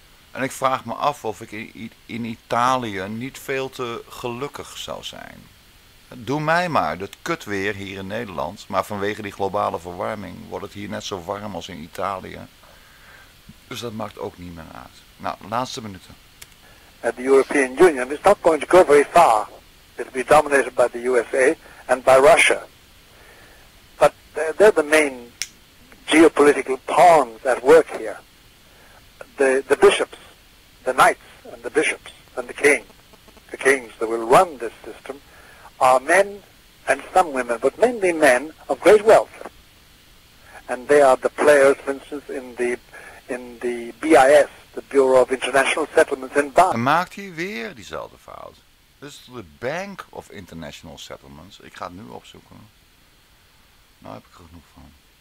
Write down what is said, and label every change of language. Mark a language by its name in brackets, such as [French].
[Dutch] En ik vraag me af of ik in Italië niet veel te gelukkig zou zijn. Doe mij maar dat kutweer hier in Nederland. Maar vanwege die globale verwarming wordt het hier net zo warm als in Italië. Dus dat maakt ook niet meer uit. Nou, laatste minuten. [English] The European Union is not going to go very far. It will be dominated by the USA and by Russia. But they're the main geopolitical pawns at work here. The bishops, the knights and the bishops and the kings that will run this system, are men and some women, but mainly men of great wealth. And they are the players, for instance, in the BIS. The Bureau of International Settlements in Bonn. [Dutch] En maakt hij weer diezelfde fout. Dus de Bank of International Settlements. Ik ga het nu opzoeken. Nou heb ik er genoeg van.